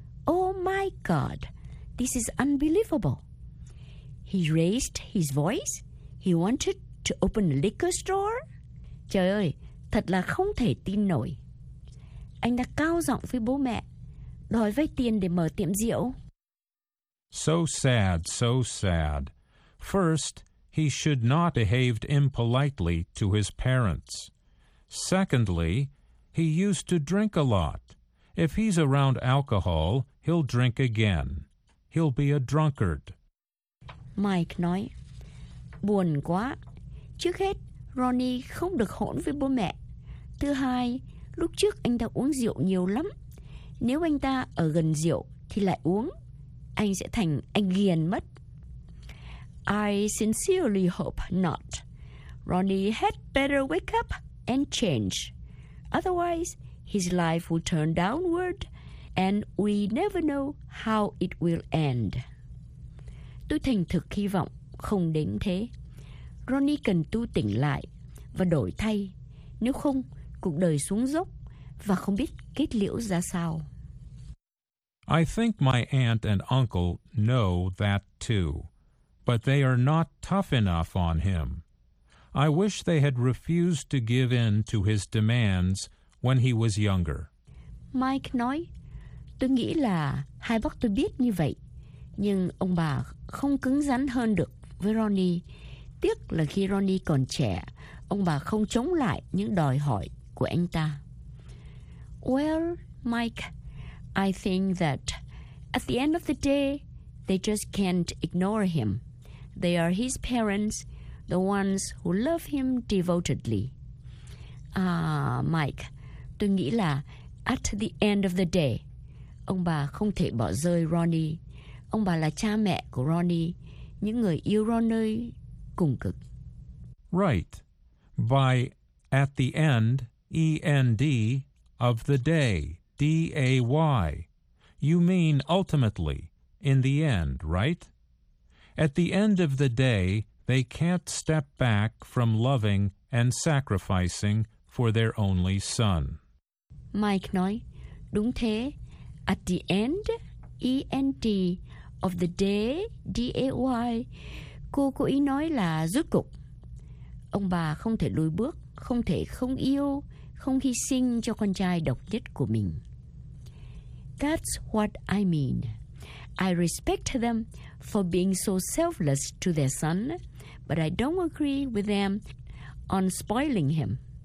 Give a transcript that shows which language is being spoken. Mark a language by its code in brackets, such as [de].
[en] Oh my God, this is unbelievable. He raised his voice. He wanted to open a liquor store. [vi] Trời ơi, thật là không thể tin nổi. Anh đã cao giọng với bố mẹ, đòi vay tiền để mở tiệm rượu. [en] So sad, so sad. First, he should not behave impolitely to his parents. Secondly, he used to drink a lot. If he's around alcohol, he'll drink again. He'll be a drunkard. [vi] Mike nói, buồn quá. Trước hết, Ronnie không được hỗn với bố mẹ. Thứ hai, lúc trước anh ta uống rượu nhiều lắm. Nếu anh ta ở gần rượu thì lại uống, anh sẽ thành anh ghiền mất. [en] I sincerely hope not. Ronnie had better wake up and change. Otherwise, his life will turn downward and we never know how it will end. [vi] Tôi thành thực hy vọng không đến thế. Ronnie cần tu tỉnh lại và đổi thay, nếu không, cuộc đời xuống dốc và không biết kết liễu ra sao. [en] I think my aunt and uncle know that too, but they are not tough enough on him. I wish they had refused to give in to his demands when he was younger. [vi] Mike nói, tôi nghĩ là hai bác tôi biết như vậy, nhưng ông bà không cứng rắn hơn được với Ronnie. Tiếc là khi Ronnie còn trẻ, ông bà không chống lại những đòi hỏi của anh ta. [en] Well, Mike, I think that at the end of the day, they just can't ignore him. They are his parents, the ones who love him devotedly. [vi] Mike, tôi nghĩ là [en] at the end of the day, [vi] ông bà không thể bỏ rơi Ronnie. Ông bà là cha mẹ của Ronnie, những người yêu Ronnie. [en] Right. By at the end, E-N-D, of the day, D-A-Y. You mean ultimately, in the end, right? At the end of the day, they can't step back from loving and sacrificing for their only son. [vi] Mike nói, đúng thế. [en] At the end, E-N-D, of the day, D-A-Y. [vi] Cô ý nói là rốt cục. Ông bà không thể lùi bước, không thể không yêu, không hy sinh cho con trai độc nhất của mình. [en] That's what I mean. I respect them for being so selfless to their son, but I don't agree with them on spoiling him.